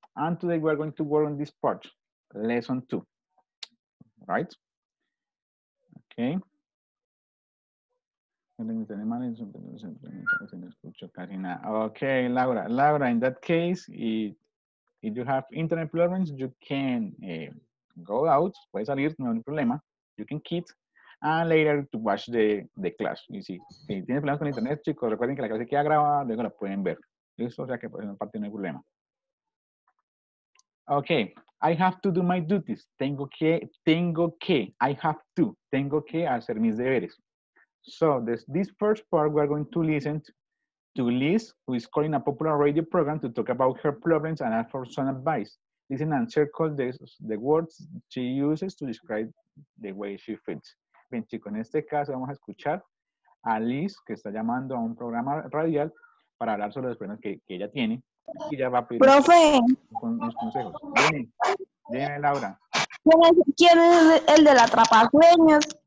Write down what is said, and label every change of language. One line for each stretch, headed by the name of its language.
English: And today we are going to work on this part, lesson two. Right? Okay. Okay, Laura. Laura, in that case, if you have internet problems, you can go out.
Spanish: Puedes salir, no hay problema.
English: You can quit. And later to watch the class.
Spanish: Y si tienen problemas con internet, chicos, recuerden que la clase queda grabada, luego la pueden ver. Listo, o sea que por esa parte no hay problema.
English: Okay, I have to do my duties.
Spanish: Tengo que hacer mis deberes.
English: So this first part, we are going to listen to Liz, who is calling a popular radio program to talk about her problems and ask for some advice. Listen and circle the words she uses to describe the way she feels.
Spanish: Bien, chicos, en este caso vamos a escuchar a Liz, que está llamando a un programa radial para hablar sobre los problemas que ella tiene. Y ya va a pedir unos consejos. Dime, Laura. ¿Quién es el del atrapasueños?